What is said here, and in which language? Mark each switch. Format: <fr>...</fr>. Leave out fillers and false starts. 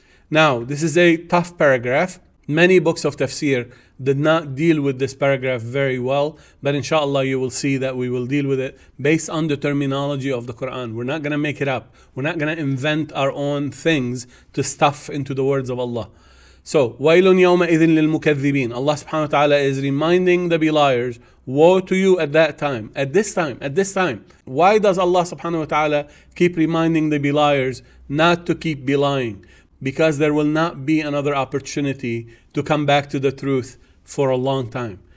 <en>Now, this is a tough paragraph. Many books of tafsir did not deal with this paragraph very well, but inshallah you will see that we will deal with it based on the terminology of the Quran. We're not going to make it up. We're not going to invent our own things to stuff into the words of Allah. So,</en> <ar>وَيْلٌ يَوْمَئِذٍ لِلْمُكَذِّبِينَ.</ar> <en>Allah subhanahu wa ta'ala is reminding the beliars, woe to you at that time, at this time, at this time. Why does Allah subhanahu wa ta'ala keep reminding the beliars not to keep belying? Because there will not be another opportunity to come back to the truth for a long time.</en>